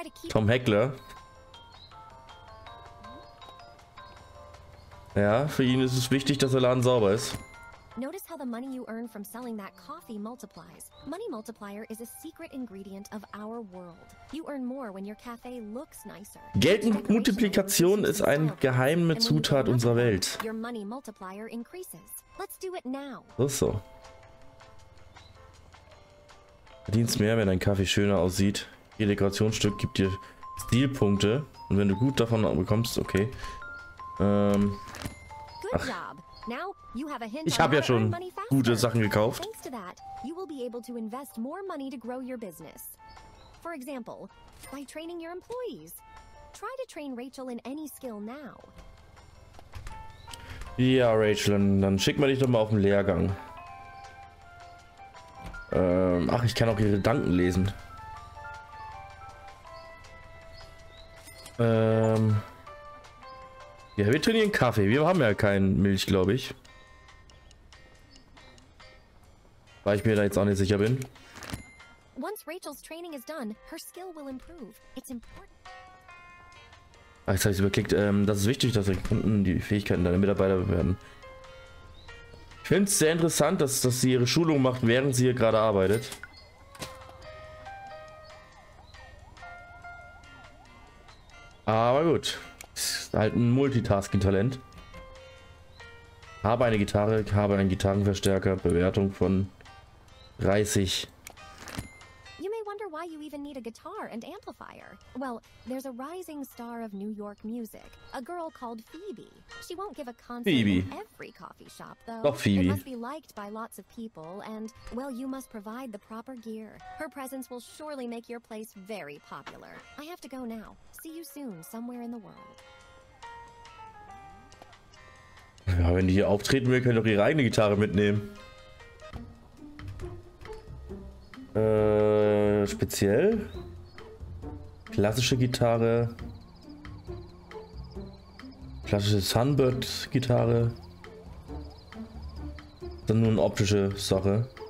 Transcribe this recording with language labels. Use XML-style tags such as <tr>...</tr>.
<de>Tom Heckler. Ja, für ihn ist es wichtig, dass der Laden sauber ist.</de> <en>Notice how the money you earn from selling that coffee multiplies. Money multiplier is a secret ingredient of our world. You earn more when your cafe looks nicer.</en> <de>Geldmultiplikation ist eine geheime Zutat unserer Welt.</de> <en>Your money multiplier increases. Let's do it now.</en> <de>So. Verdienst mehr, wenn dein Kaffee schöner aussieht. Ihr Dekorationsstück gibt dir Stilpunkte. Und wenn du gut davon bekommst, okay.</de> <en>Ach. Good job. Now you have a hint.</en> <de>Ich habe ja schon gute Sachen gekauft.</de> <en>Thanks to that, you will be able to invest more money to grow your business. For example, by training your employees. Try to train Rachel in any skill now.</en> <de>Ja, Rachel, dann schick mal dich doch mal auf den Lehrgang. Ach, ich kann auch ihre Gedanken lesen. Ja, wir trainieren Kaffee. Wir haben ja keinen Milch, glaube ich. Weil ich mir da jetzt auch nicht sicher bin.</de> <en>Once Rachel's training is done, her skill will improve. It's important.</en> <de>Ah, jetzt habe ich es überklickt. Das ist wichtig, dass Rekruten die Fähigkeiten deiner Mitarbeiter bewerten. Ich finde es sehr interessant, dass sie ihre Schulung macht, während sie hier gerade arbeitet. Aber gut. Ist halt ein Multitasking-Talent. Habe eine Gitarre, habe einen Gitarrenverstärker. Bewertung von 30.</de> <en>Why you even need a guitar and amplifier? Well, there's a rising star of New York music, a girl called Phoebe. She won't give a concert Phoebe. In every coffee shop, though.</en> <de>Doch, Phoebe.</de> <en>It must be liked by lots of people, and well, you must provide the proper gear. Her presence will surely make your place very popular. I have to go now. See you soon, somewhere in the world.</en> <de>Ja, wenn die hier auftreten will, können doch ihre eigene Gitarre mitnehmen. Speziell klassische Gitarre, klassische Sunbird Gitarre, dann nur eine optische Sache.</de>